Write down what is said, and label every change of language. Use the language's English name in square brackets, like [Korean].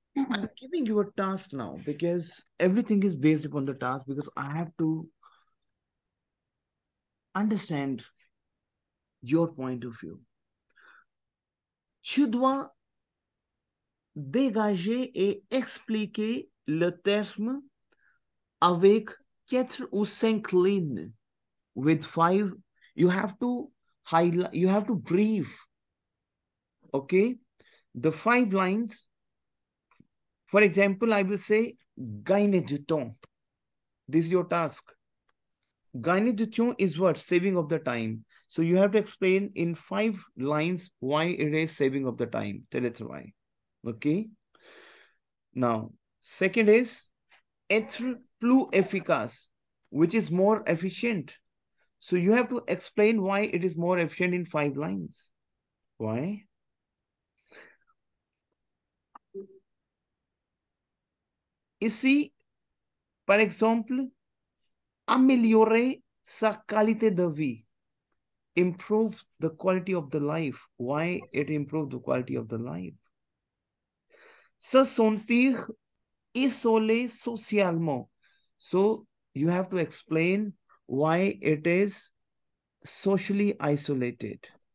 [English] I'm giving you a task now because everything is based upon the task because I have to understand your point of view. [French] Tu dois dégager et expliquer le terme avec quatre ou cinq lignes. [English] With five, you have to highlight, you have to brief. Okay? The five lines. For example, I will say, [French] gagner du temps. [English] This is your task. [French] Gagner du temps [English] is what? Saving of the time. So you have to explain in five lines why it is saving of the time. Tell it why. Okay. Now, second is [French] être plus efficace, [English] which is more efficient. So you have to explain why it is more efficient in five lines. Why? [French] Ici, par exemple, améliorer sa qualité de vie. [English] Improve the quality of the life. Why it improve the quality of the life? [French] Se sentir isolé socialement. [English] So you have to explain why it is socially isolated.